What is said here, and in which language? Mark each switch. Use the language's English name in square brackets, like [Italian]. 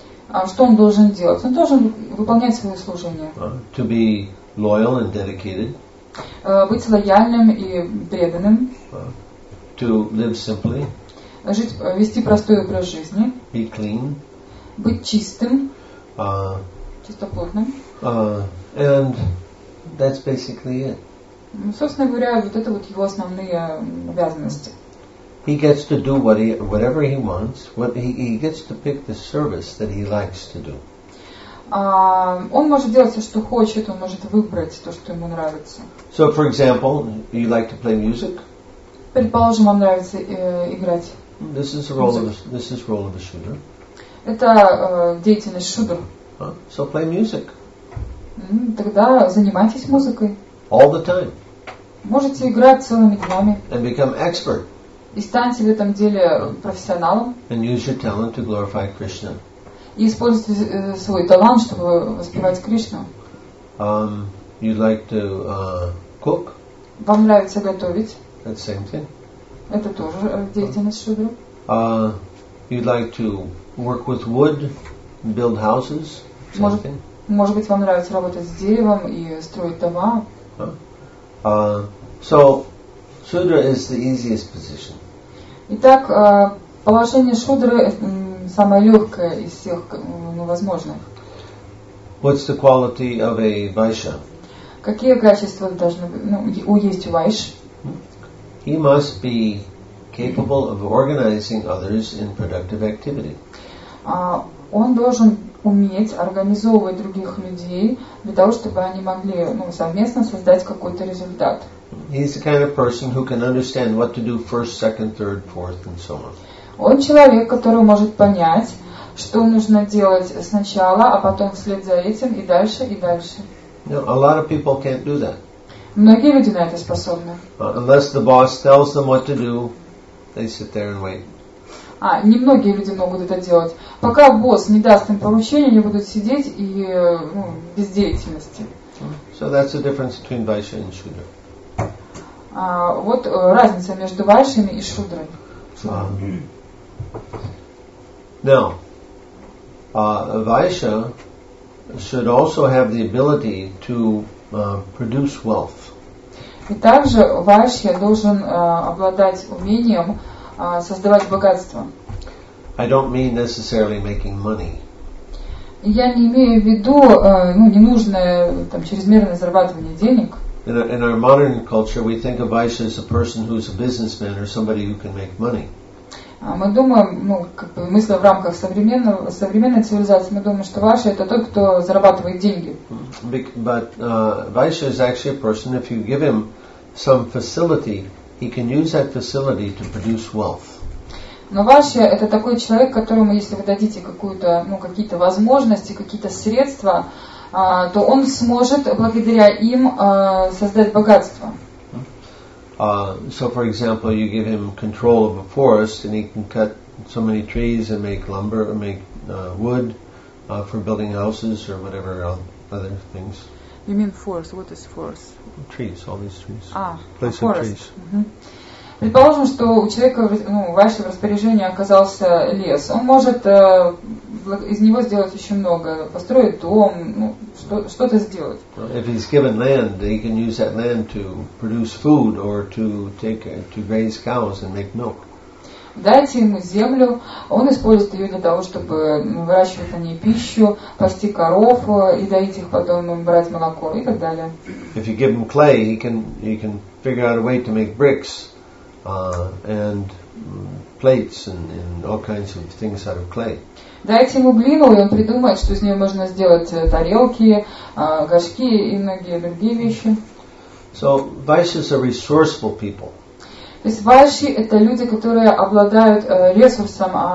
[Russian] А что он должен делать? Он должен выполнять свое служение. [English] To be loyal and dedicated. [Russian] Быть лояльным и преданным. [English] To live simply. [Russian] Вести простой образ жизни. [English] Be clean. [Russian] Быть чистым, чистоплотным. [English] And that's basically it. [Russian] Собственно говоря, вот это вот его основные обязанности. [English] He gets to do what he, whatever he wants. What he gets to pick the service that he likes to do. [Russian] Он может делать все, что хочет. Он может выбрать то, что ему нравится. [English] So, for example, you like to play music. [Russian] Предположим, вам нравится играть. [English] This is the role of a shooter. [Russian] Это деятельность шутера. [English] So play music. [Russian] Тогда занимайтесь музыкой. [English] All the time. [Russian] Можете играть целыми днями. [English] And become expert. [Russian] И станьте в этом деле профессионалом. [English] And use your talent to glorify Krishna. [Russian] И используйте свой талант, чтобы воспевать Кришну. [English] You'd like to cook? [Russian] Вам нравится готовить? [English] That's the same thing. [Russian] Это тоже деятельность шудры. [English] You'd like to work with wood, build houses? [Russian] Может быть, вам нравится работать с деревом и строить дома? [English] So, shudra is the easiest position. [Russian] Итак, положение шудры самое легкое из всех возможных. [English] What's the quality of a vaisha? [Russian] Какие качества должны есть у вайш? [English] He must be capable of organizing others in productive activity. [Russian] Он должен уметь организовывать других людей для того, чтобы они могли совместно создать какой-то результат. [English] He's the kind of person who can understand what to do first, second, third, fourth, and so on. [Russian] Он человек, который может понять, что нужно делать сначала, а потом вслед за этим и дальше и дальше. [English] No, a lot of people can't do that. [Russian] Многие люди на это способны. [English] Unless the boss tells them what to do, they sit there and wait. [Russian] Немногие люди могут это делать. Пока босс не даст им поручения, они будут сидеть и без деятельности. [English] So that's the difference between vaisha and shudra. [Russian] Разница между вайшами и шудрами. [English] Now, vaisha should also have the ability to produce wealth. [Russian] И также вайшья должен обладать умением создавать богатство. [English] I don't mean necessarily making money. [Russian] Я не имею в виду ненужное чрезмерное зарабатывание денег. [English] In our modern culture, we think of vaisha as a person who is a businessman or somebody who can make money. [Russian] Мы думаем, мысли в рамках современной цивилизации, мы думаем, что ваша это тот, кто зарабатывает деньги. [English] But vaisha is actually a person, if you give him some facility, he can use that facility to produce wealth. [Russian] Но ваша это такой человек, которому, если вы дадите какие-то возможности, какие-то средства, то он сможет благодаря им создать богатство. [English] So, for example, you give him control of a forest, and he can cut so many trees and make lumber, or make wood for building houses or whatever other things. You mean forest? What is forest? Trees, all these trees. Place forest. Of trees. Mm-hmm. [Russian] Предположим, что у человека в вашем распоряжении оказался лес. Он может из него сделать еще много, построить дом, что-то сделать. [English] If he's given land, he can use that land to produce food or to raise cows and make milk. [Russian] Дайте ему землю, он использует ее для того, чтобы выращивать на ней пищу, пасти коров и доить их потом, брать молоко и так далее. [English] If you give him clay, he can figure out a way to make bricks and plates and all kinds of things out of clay. [Russian] Дайте ему глину, и он придумает, что из нее можно сделать тарелки, горшки и многие другие вещи. [English] So, vaishyas are resourceful people. [Russian] То есть вайши – это люди, которые обладают ресурсом.